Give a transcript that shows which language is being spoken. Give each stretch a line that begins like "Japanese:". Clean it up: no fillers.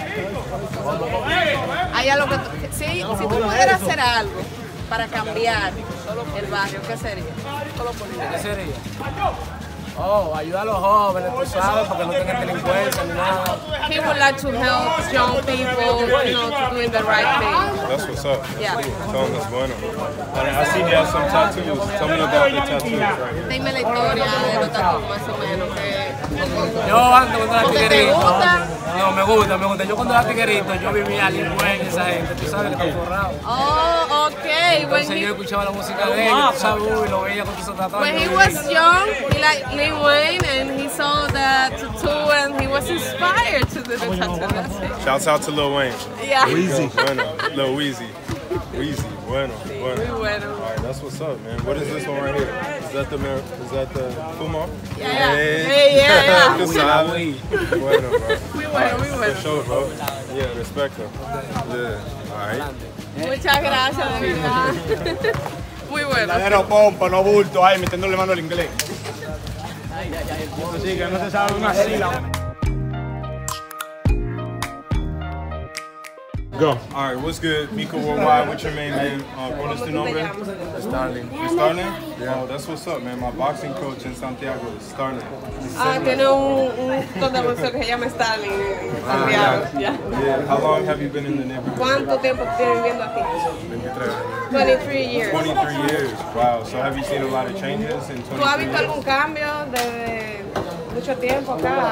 Spanish: Trae aquí algo diferente. Hay algo que si tú pudieras hacer algo para cambiar el barrio, ¿qué sería? ¿Qué sería? Oh, ayuda a los jóvenes, tú sabes, porque no tengan delincuencia ni nada.
English: He would like to help young people, to do the right thing. That's what's up. Yeah. Tell them that's bueno. And I see they have some tattoos. Tell me about the tattoos right here.
Spanish: Dime la historia de los tattoos más o menos. Yo ando con la tiguerita. ¿Te gusta? No, me gusta. Yo cuando era tiguerito, yo vivía al igual esa gente. Tú sabes, que está forrado. Oh, okay. Entonces
English: when
Spanish: yo he... escuchaba la música de él, tú sabes, y lo veía con tus tatuajes.
English: When he was young, he liked Lil Wayne, and he saw the tattoo, and he was inspired to do the tattoo. Shout out to Lil Wayne. Yeah. Weezy. Bueno, Lil Weezy. Weezy. Bueno. All right, that's what's up, man. What is this one right here? Is that the Fumo? Yeah. Yeah.
Spanish: Tu sabes. Bueno, bro.
English: We bueno. For sure, bro. Yeah, respect them. Okay. Yeah. All right.
Spanish: Muchas gracias, de verdad. We bueno. Ladero pompa, no bulto. Ay, metiéndole mano al inglés. Ay, ay, ay. Sí, que no se sabe una sílaba.
English: Go. All right, what's good? Miko Worldwide, what's your main name?
Spanish: ¿Cuál es tu nombre?
English: Starling. Starling? Yeah. Oh, that's what's up, man. My boxing coach in Santiago is Starling.
Spanish: Tiene un condamoso que se llama Starling en Santiago.
English: Yeah. How long have you been in the neighborhood?
Spanish: ¿Cuánto tiempo estoy viviendo aquí?
English: 23 years. 23 years. Wow. So have you seen a lot of changes in 23 years?
Spanish: ¿Tú has visto algún cambio desde mucho tiempo acá?